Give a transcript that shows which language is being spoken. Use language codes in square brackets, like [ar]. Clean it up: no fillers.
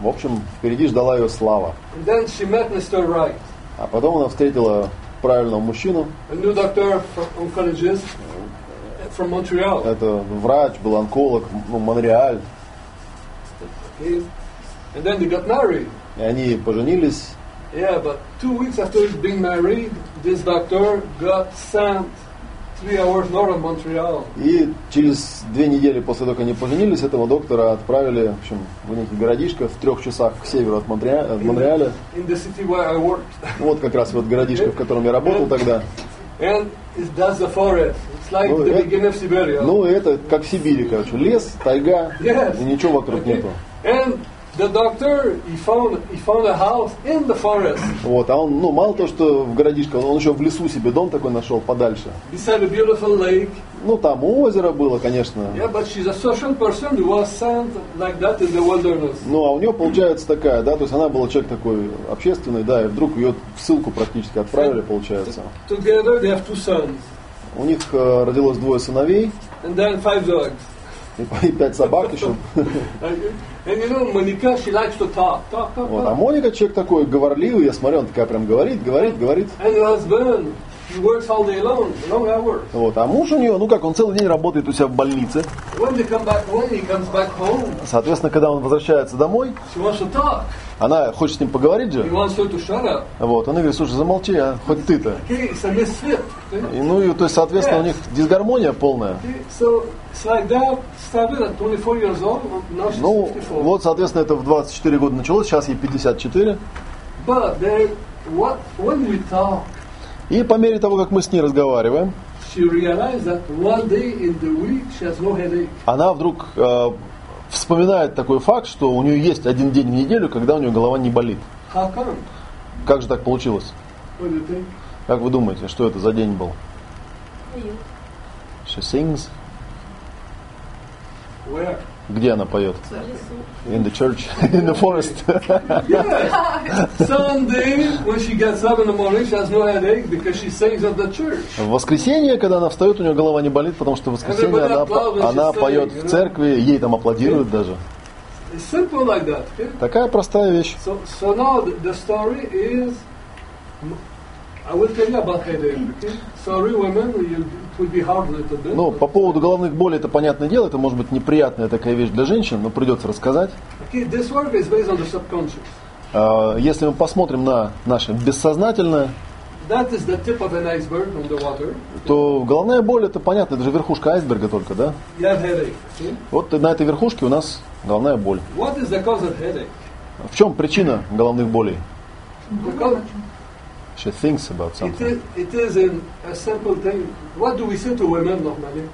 [ru] В общем, впереди ждала ее слава. [en] And then she met Mr. Wright. [ru] А потом она встретила правильного мужчину. [en] A new doctor, oncologist from Montreal. [ru] Это врач, был онколог, ну, Монреаль. [en] Okay. And then they got married. [ru] И они поженились. [en] Yeah, but 2 weeks after being married, this doctor got sent 3 hours north of Montreal. [ru] И через 2 недели после того, как они поженились, этого доктора отправили, в общем, в некий городишко в 3 часах к северу от Монреаля. [en] In the city where I worked. [ru] Вот как раз вот городишко, в котором я работал тогда. [en] And that's the forest. It's like the beginning of Siberia. [ru] Ну, это как в Сибири, короче. Лес, тайга, [en] yes. [ru] И ничего вокруг [en] okay. [ru] нету. [en] And the doctor, he found a house in the forest. [ru] Вот, а он, ну, мало то, что в городишко, он еще в лесу себе дом такой нашел подальше. [en] Beside a beautiful lake. [ru] Ну, там озеро было, конечно. [en] Yeah, but she's a social person who was sent like that in the wilderness. [ru] Ну, а у нее получается такая, да, то есть она была человек такой общественный, да, и вдруг ее в ссылку практически отправили, получается. [en] Together they have 2 sons. [ru] У них родилось 2 сыновей. [en] And then 5 dogs. [ru] И 5 собак еще. [en] And you know, Monica, she likes to talk. [ru] Вот, а Моника человек такой говорливый, я смотрю, он такая прям говорит. [en] And your husband, he works all day long, long hours. [ru] Вот, а муж у нее, ну как, он целый день работает у себя в больнице. [en] When he comes back home. [ru] Соответственно, когда он возвращается домой, [en] she wants to talk. [ru] Она хочет с ним поговорить же. [en] He wants her to shut up. [ru] Вот, он говорит, слушай, замолчи, а, хоть [en] okay. [ru] ты-то. [en] Okay. [ru] И, ну, и, то есть, соответственно, [en] yes. [ru] у них дисгармония полная. Ну, вот, соответственно, это в 24 года началось, сейчас ей 54. [en] But when we talk, [ru] и по мере того, как мы с ней разговариваем, [en] she realized that one day in the week she has no headache. [ru] Она вдруг... вспоминает такой факт, что у нее есть один день в неделю, когда у нее голова не болит. [en] How come? [ru] Как же так получилось? [en] What do you think? [ru] Как вы думаете, что это за день был? Поет. [en] She sings. Where? [ru] Где она поет? [en] In the church, in the forest. Yes. Sunday, when she gets up in the morning, she has no headache because she sings at the church. [ru] В воскресенье, когда она встает, у нее голова не болит, потому что в воскресенье она поет в церкви, ей там аплодируют даже. [en] Simple like that. Okay? [ru] Такая простая вещь. [en] So now the story is, I will tell you about headache. Okay? Sorry, women, you. [ru] Ну, по поводу головных болей это понятное дело, это может быть неприятная такая вещь для женщин, но придется рассказать. [en] Okay, this work is based on the subconscious. [ru] Если мы посмотрим на наше бессознательное, [en] that is the tip of an iceberg on the water. [ru] То головная боль это понятно, это же верхушка айсберга только, да? [en] You have headache. [ru] Okay. Вот на этой верхушке у нас головная боль. [en] What is the cause of headache? [ru] В чем причина головных болей? [en] She thinks about something. It is in a simple thing. What do we say to women normally?